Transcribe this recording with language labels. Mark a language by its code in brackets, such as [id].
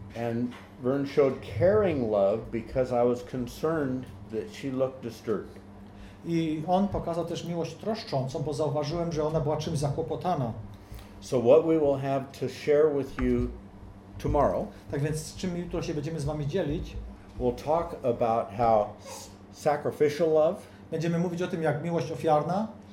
[en] And Vern showed caring love because I was concerned that she looked disturbed. [pl] I on pokazał też miłość troszczącą, bo zauważyłem, że ona była czymś zakłopotana. [en] So what we will have to share with you tomorrow. [pl] Tak więc z czym jutro się będziemy z wami dzielić? [en] We'll talk about how Sacrificial love. [pl] Będziemy mówić o tym, jak miłość ofiarna.